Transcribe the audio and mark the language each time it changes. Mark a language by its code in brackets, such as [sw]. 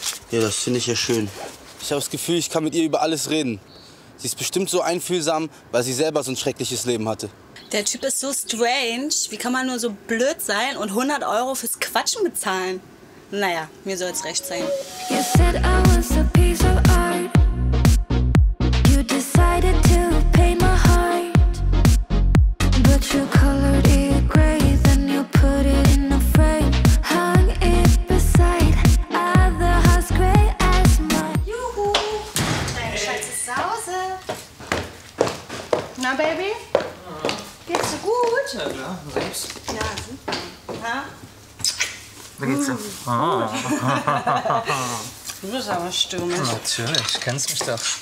[de] Ja, das finde ich ja schön. Ich habe das Gefühl, ich kann mit ihr über alles reden. Sie ist bestimmt so einfühlsam, weil sie selber so ein schreckliches Leben hatte. Der Typ ist so strange. Wie kann man nur so blöd sein und 100 Euro fürs Quatschen bezahlen? Naja, mir soll's recht sein. [en] You said I was a piece of art. You decided to pay my heart. But you colored it gray. Then you put it in a frame. Hung it beside other hearts gray as mine. [de] Juhu! Dein Schatz ist zu Hause. Na, Baby? Ja. Geht's dir gut? Ja, klar. Selbst? Ja, super. Ha? Wie geht's dir? Du bist aber stürmisch. Natürlich, kennst mich doch.